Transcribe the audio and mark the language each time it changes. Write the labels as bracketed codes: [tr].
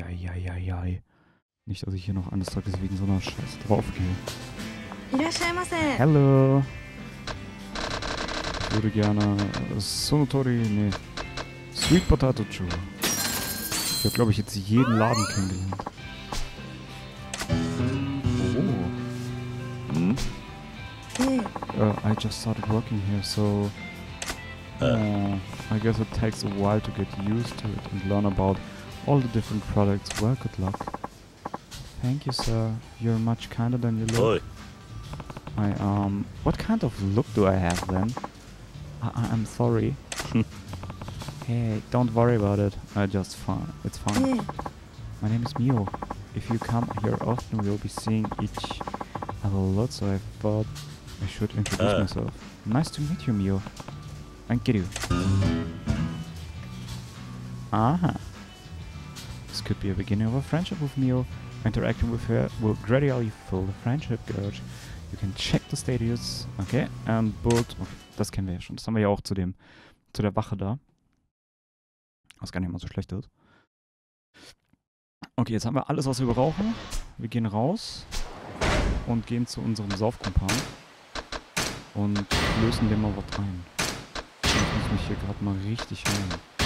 [de] Eieieiei. Nicht, dass ich hier noch eines Tages wegen so einer Scheiße draufgehe. Hallo. Ich würde gerne Sonotori, nee. Sweet Potato Chew. Ich habe, glaube ich, jetzt jeden Laden kennengelernt. [en] I just started working here, so I guess it takes a while to get used to it and learn about all the different products. Well, good luck. Thank you, sir. You're much kinder than you look. Oi. I what kind of look do I have then? I'm sorry. Hey, don't worry about it. It's fine. Yeah. My name is Mio. If you come here often, we'll be seeing each other a lot, so I thought I should introduce myself. Nice to meet you, Mio. Thank you. Aha. This could be a beginning of a friendship with Mio. Interacting with her will gradually fill the friendship gauge. You can check the status. Okay. And build... Okay. [de] Das kennen wir ja schon. Das haben wir ja auch zu der Wache da. Was gar nicht mal so schlecht ist. Okay, jetzt haben wir alles, was wir brauchen. Wir gehen raus. Und gehen zu unserem Saufkumpan. Und lösen dem mal was ein. Ich muss mich hier gerade mal richtig hören.